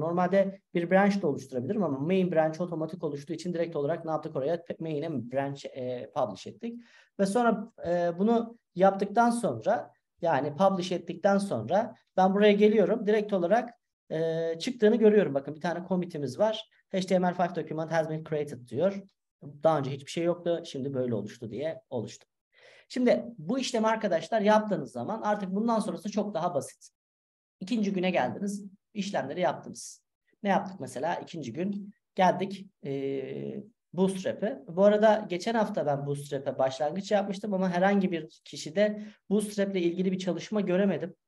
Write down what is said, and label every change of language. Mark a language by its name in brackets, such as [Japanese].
[Turkish] Normalde bir branch de oluşturabilirim ama main branch otomatik oluştuğu için direkt olarak ne yaptık oraya? Main'e branch publish ettik. Ve sonra bunu yaptıktan sonra, yani publish ettikten sonra ben buraya geliyorum. Direkt olarak çıktığını görüyorum. Bakın bir tane commit'imiz var. [English] HTML5 document has been created [Turkish] diyor. Daha önce hiçbir şey yoktu. Şimdi böyle oluştu diye oluştu. Şimdi bu işlemi arkadaşlar yaptığınız zaman artık bundan sonrası çok daha basit. İkinci güne geldiniz. İşlemleri yaptınız. Ne yaptık mesela? İkinci gün geldik Bootstrap'ı. Bu arada geçen hafta ben Bootstrap'e başlangıç yapmıştım ama herhangi bir kişide Bootstrap'le ilgili bir çalışma göremedim.